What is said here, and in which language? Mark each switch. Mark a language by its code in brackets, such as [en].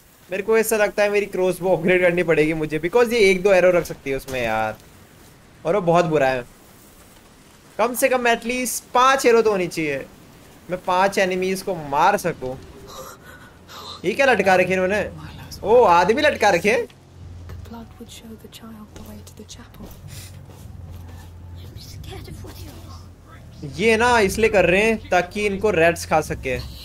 [hi] मेरे को ऐसा लगता है मेरी क्रॉसबो अपग्रेड करनी पड़ेगी मुझे, बिकॉज ये एक दो एरो रख सकती है उसमें यार, और वो बहुत बुरा है। कम से कम एटलीस्ट 5 एरो तो होनी चाहिए, मैं 5 एनिमीज को मार सकूं। ये क्या लटका रखे इन्होंने? ओ आदमी लटका रखे। [en] The blood would show the child the way to the chapel. I'm scared of what you're doing. [hi] ये ना इसलिए कर रहे हैं ताकि इनको रैट्स खा सके।